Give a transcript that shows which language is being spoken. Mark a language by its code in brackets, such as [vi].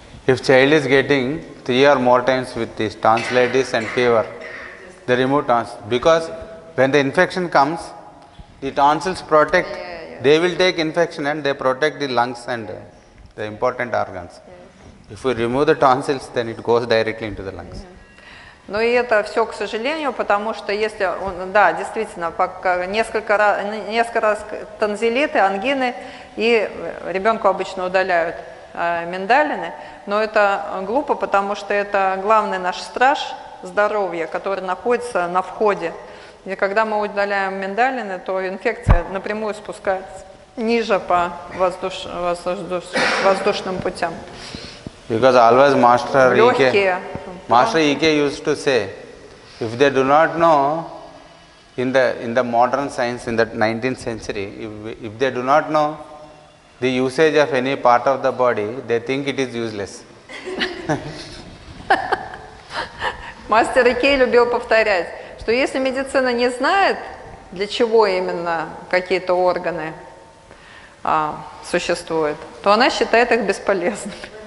[en] If child is getting 3 or more times with this tonsillitis and fever, they remove tonsils. Because when the infection comes, the tonsils protect, they will take infection and they protect the lungs and the important organs. Yes. If we remove the tonsils, then it goes directly into the lungs. Yeah. [ru] Ну и это все, к сожалению, потому что если он, да, действительно, пока несколько раз тонзиллиты, ангины, и ребенку обычно удаляют миндалины, но это глупо, потому что это главный наш страж здоровья, который находится на входе. И когда мы удаляем миндалины, то инфекция напрямую спускается ниже по воздушным путям. [en] Because always master [ru] легкие. [en] Master E.K. used to say, if they do not know in the modern science, in the 19th century, if they do not know the usage of any part of the body, they think it is useless. [ru] Мастер E.K. любил повторять, что если медицина не знает, для чего именно какие-то органы существуют, то она считает их бесполезными.